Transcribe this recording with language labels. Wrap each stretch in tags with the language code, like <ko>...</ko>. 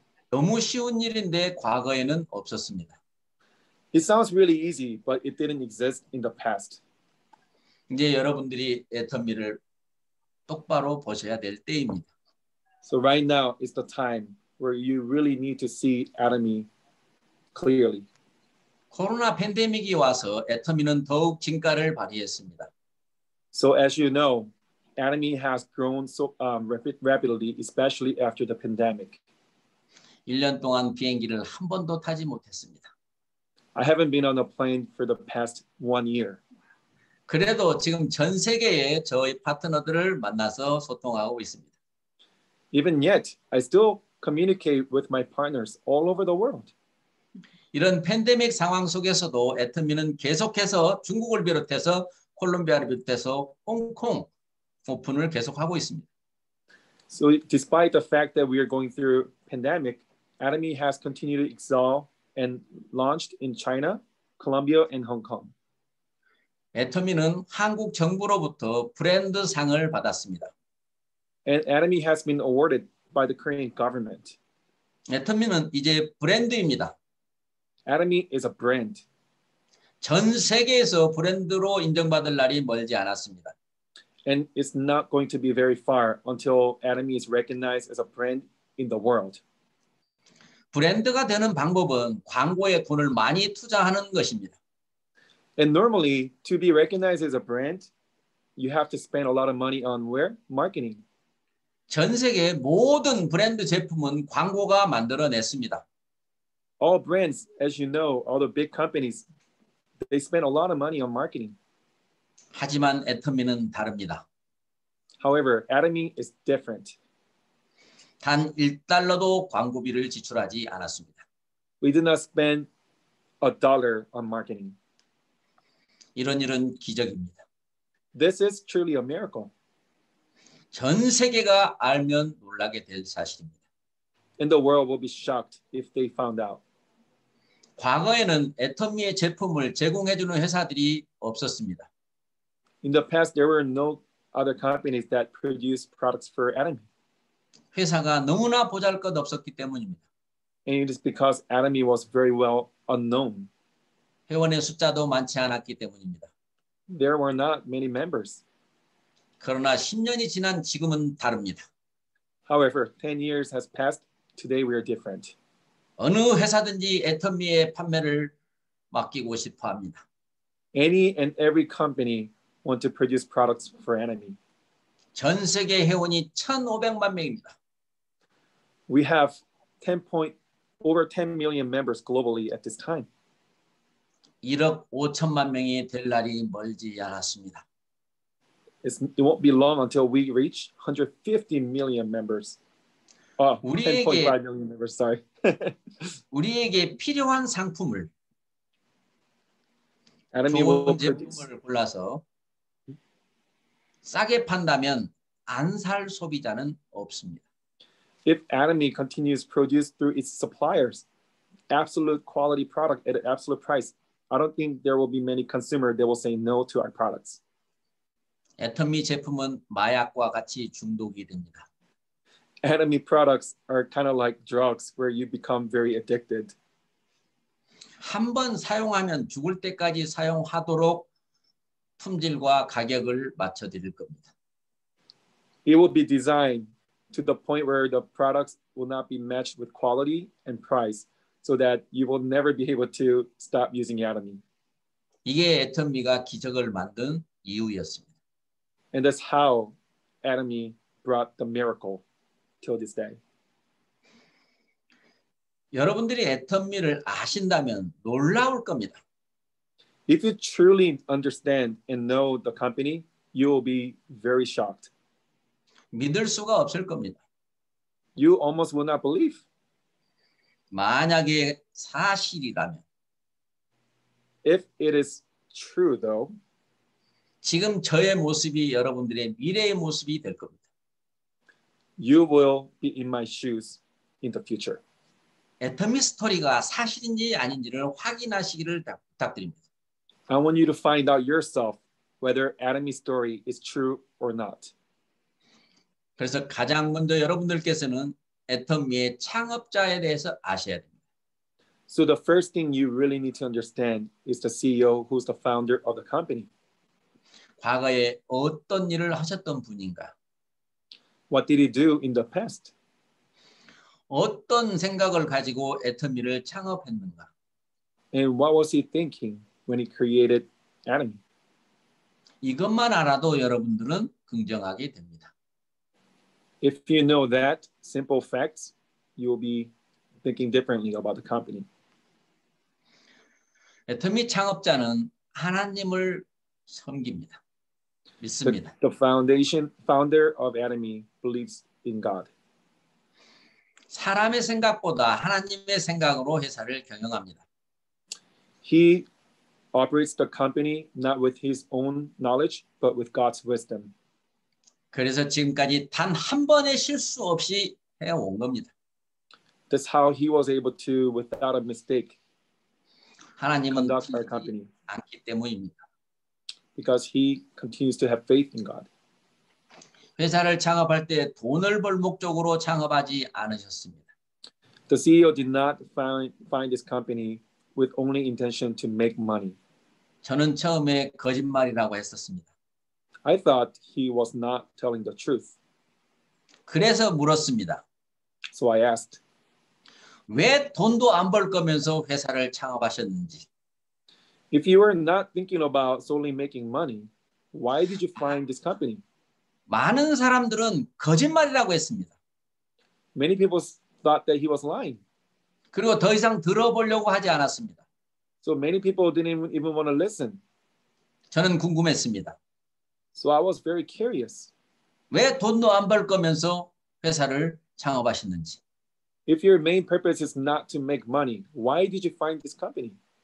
<ko>너무 쉬운 일인데 과거에는 없었습니다.</ko> <en>It sounds really easy, but it didn't exist in the past.</en> <ko>이제 여러분들이 애터미를 똑바로 보셔야 될 때입니다.</ko> <en>So right now is the time where you really need to see Atomy clearly.</en> <ko>코로나 팬데믹이 와서 애터미는 더욱 진가를 발휘했습니다.</ko> <en>So as you know, Atomy has grown so rapidly, especially after the pandemic.</en> <ko>1년 동안 비행기를 한 번도 타지 못했습니다.</ko> <en>I haven't been on a plane for the past one year.</en> <ko>그래도 지금 전 세계에 저희 파트너들을 만나서 소통하고 있습니다.</ko> <en>Even yet, I still communicate with my partners all over the world.</en> <ko>이런 팬데믹 상황 속에서도 애터미는 계속해서 중국을 비롯해서 콜롬비아를 비롯해서 홍콩 오픈을 계속하고 있습니다.</ko> <en>So despite the fact that we are going through pandemic, Atomy has continued to excel and launched in China, Colombia, and Hong Kong.</en> <ko>애터미는 한국 정부로부터 브랜드 상을 받았습니다.</ko> <en>Atomy has been awarded by the Korean government.</en> <ko>애터미는 이제 브랜드입니다.</ko> <en>Atomy is a brand.</en> <ko>전 세계에서 브랜드로 인정받을 날이 멀지 않았습니다.</ko> <en>And it's not going to be very far until Atomy is recognized as a brand in the world.</en> <ko>브랜드가 되는 방법은 광고에 돈을 많이 투자하는 것입니다.</ko> <en>And normally, to be recognized as a brand, you have to spend a lot of money on where? Marketing.</en> <ko>전 세계 모든 브랜드 제품은 광고가 만들어냈습니다.</ko> <en>All brands, as you know, all the big companies, they spend a lot of money on marketing.</en> <ko>하지만 애터미는 다릅니다.</ko> <en>However, Atomy is different.</en> <ko>단 1달러도 광고비를 지출하지 않았습니다.</ko> <en>We did not spend a dollar on marketing.</en> <ko>이런 일은 기적입니다.</ko> <en>This is truly a miracle.</en> <ko>전 세계가 알면 놀라게 될 사실입니다.</ko> <en>And the world will be shocked if they found out.</en> <ko>과거에는 애터미의 제품을 제공해주는 회사들이 없었습니다.</ko> <en>In the past, there were no other companies that produced products for Atomy.</en> <ko>회사가 너무나 보잘것없었기 때문입니다.</ko> <en>And it is because Atomy was very well unknown.</en> <ko>회원의 숫자도 많지 않았기 때문입니다.</ko> <en>There were not many members.</en> <ko>그러나 10년이 지난 지금은 다릅니다.</ko> <en>However, 10 years has passed. Today we are different.</en> <ko>어느 회사든지 애터미의 판매를 맡기고 싶어 합니다.</ko> <en>Any and every company want to produce products for Atomy.</en> <ko>전 세계 회원이 1,500만 명입니다.</ko> <en>We have 10 million members globally at this time.</en> <ko>1억 5천만 명이 될 날이 멀지 않았습니다.</ko> <en>It won't be long until we reach 150 million members. Oh, 10.5 million members, sorry.</en> <ko>우리에게 필요한 상품을 Atomy 좋은</ko> <en>will</en> <ko>제품을</ko> <en>produce.</en> <ko>골라서 싸게 판다면 안 살 소비자는 없습니다.</ko> <en>If Atomy continues produce through its suppliers, absolute quality product at an absolute price, I don't think there will be many consumers that will say no to our products.</en> <ko>애터미 제품은 마약과 같이 중독이 됩니다.</ko> <en>Atomy products are kind of like drugs where you become very addicted.</en> <ko>한 번 사용하면 죽을 때까지 사용하도록 품질과 가격을 맞춰 드릴 겁니다.</ko> <en>It will be designed to the point where the products will not be matched with quality and price. So that you will never be able to stop using Atomy.</en> <ko>이게 애터미가 기적을 만든 이유였습니다.</ko> <en>And that's how Atomy brought the miracle till this day.</en> <ko>여러분들이 애터미를 아신다면 놀라울 겁니다.</ko> <en>If you truly understand and know the company, you will be very shocked.</en> <ko>믿을 수가 없을 겁니다.</ko> <en>You almost will not believe.</en> <ko>만약에 사실이라면</ko> <en>If it is true though</en> <ko>지금 저의 모습이 여러분들의 미래의 모습이 될 겁니다.</ko> <en>You will be in my shoes in the future.</en> <ko>애터미 스토리가 사실인지 아닌지를 확인하시기를 부탁드립니다.</ko> <en>I want you to find out yourself whether Atomy's story is true or not.</en> <ko>그래서 가장 먼저 여러분들께서는 애터미의 창업자에 대해서 아셔야 됩니다.</ko> <en>So the first thing you really need to understand is the CEO who's the founder of the company.</en> <ko>과거에 어떤 일을 하셨던 분인가?</ko> <en>What did he do in the past?</en> <ko>어떤 생각을 가지고 애터미를 창업했는가?</ko> <en>And what was he thinking when he created Atomy?</en> <ko>이것만 알아도 여러분들은 긍정하게 됩니다.</ko> <en>If you know that simple facts, you will be thinking differently about the company.</en> <ko>애터미 창업자는 하나님을 섬깁니다. 믿습니다.</ko> <en>The founder of Atomy believes in God.</en> <ko>사람의 생각보다 하나님의 생각으로 회사를 경영합니다.</ko> <en>He operates the company not with his own knowledge, but with God's wisdom.</en> <ko>그래서 지금까지 단 한 번의 실수 없이 해온 겁니다.</ko> <en>That's how he was able to, without a mistake,</en> <ko>하나님은</ko> <en>conduct our company.</en> <ko>않기 때문입니다.</ko> <en>because he continues to have faith in God.</en> <ko>회사를 창업할 때 돈을 벌 목적으로 창업하지 않으셨습니다.</ko> <en>The CEO did not find this company with only intention to make money.</en> <ko>저는 처음에 거짓말이라고 했었습니다.</ko> <en>I thought he was not telling the truth.</en> <ko>그래서 물었습니다.</ko> <en>So I asked.</en> <ko>왜 돈도 안 벌 거면서 회사를 창업하셨는지.</ko> <en>If you were not thinking about solely making money, why did you find this company?</en> <ko>많은 사람들은 거짓말이라고 했습니다.</ko> <en>Many people thought that he was lying.</en> <ko>그리고 더 이상 들어보려고 하지 않았습니다.</ko> <en>So many people didn't even want to listen.</en> <ko>저는 궁금했습니다.</ko> <en>So I was very curious.</en> <ko>왜 돈도 안 벌 거면서 회사를 창업하셨는지.</ko> <en>If your main purpose is not to make money, why did you find this company?</en>